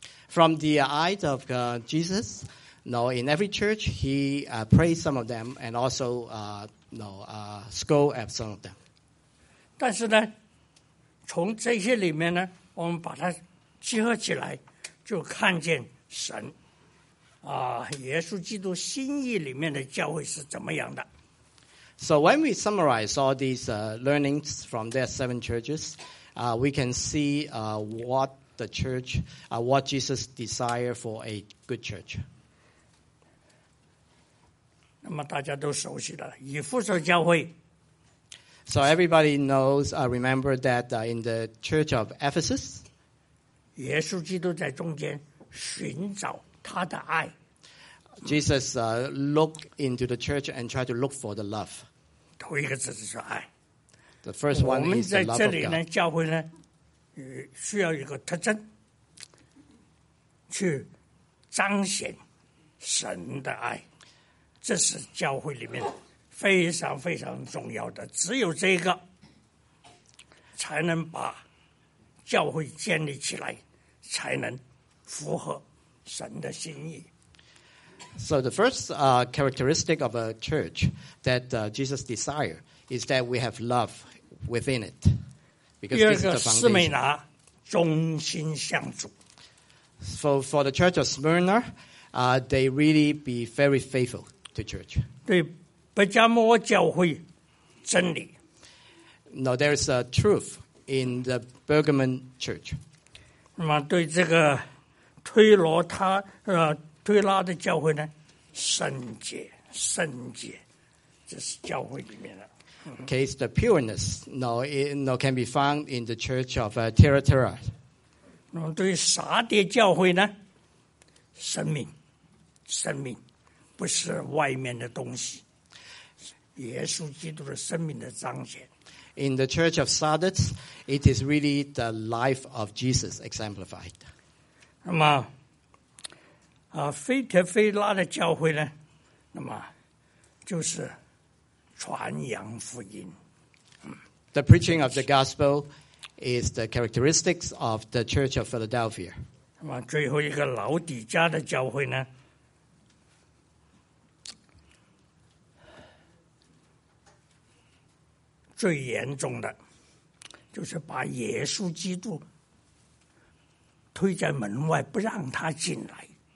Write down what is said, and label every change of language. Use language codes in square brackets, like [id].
[en] From the eyes of Jesus, in every church, he praised some of them and also scold at some of them. [zh] 但是呢，从这些里面呢，我们把它集合起来，就看见神啊，耶稣基督心意里面的教会是怎么样的。 [en] So when we summarize all these learnings from their seven churches, we can see what the church, what Jesus desire for a good church. [zh] 那么大家都熟悉了，以弗所教会。 [en] So everybody knows, remember that in the Church of Ephesus, [zh] 耶稣基督在中间寻找他的爱。 [en] Jesus looked into the church and tried to look for the love. [zh] 头一个字就是爱。 [en] The first one is the love of God. [zh] 我们在这里呢，教会呢，需要一个特征，去彰显神的爱。这是教会里面非常非常重要的，只有这个才能把教会建立起来，才能符合神的心意。 [en] So the first characteristic of a church that Jesus desires is that we have love within it. Because this is the foundation. [zh] 斯美拿忠心向主。 [en] For the church of Smyrna, they really be very faithful. To church. [zh] 对不加摩教会真理。 [en] No, there is a truth in the Bergamon church. [zh] 那么对这个推拉的教会呢，圣洁，圣洁，这是教会里面的。 [en] Okay, it's the pureness. No, can be found in the church of Thyatira. [zh] 那么对撒迭教会呢，生命，生命。不是外面的东西，耶稣基督的生命的彰显。 [en] In the Church of Sardis, it is really the life of Jesus exemplified. [zh] 那么，非特非拉的教会呢，那么就是传扬福音。 [en] The preaching of the gospel is the characteristics of the Church of Philadelphia. [zh] 那么最后一个老底家的教会呢？最严重的就是把耶稣基督推在门外，不让他进来。